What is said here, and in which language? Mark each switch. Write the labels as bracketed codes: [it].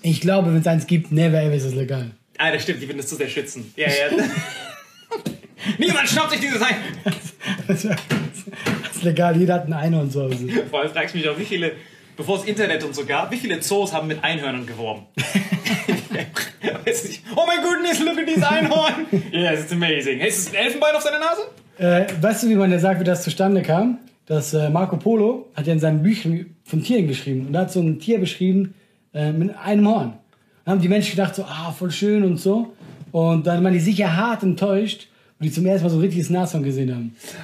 [de] Ich glaube, wenn es eins gibt, [en] never ever [de] ist es legal. Ah, das stimmt. Die würden es zu sehr schützen. Ja. Niemand schnappt sich dieses Einhorn. Das ist legal. Jeder hat ein Einhorn zu Hause. Vor allem frage ich mich auch, wie viele, bevor es Internet und so gab, wie viele Zoos haben mit Einhörnern geworben? [en] Oh my goodness, look at this Einhorn! Yes, it's amazing. [de] Hey, ist das ein Elfenbein auf seiner Nase? Weißt du, wie man ja sagt, wie das zustande kam? Dass Marco Polo hat ja in seinen Büchern von Tieren geschrieben. Und da hat so ein Tier beschrieben mit einem Horn. Dann haben die Menschen gedacht, so, ah, voll schön und so. Und dann waren die sicher hart enttäuscht, weil die zum ersten Mal so ein richtiges Nashorn gesehen haben.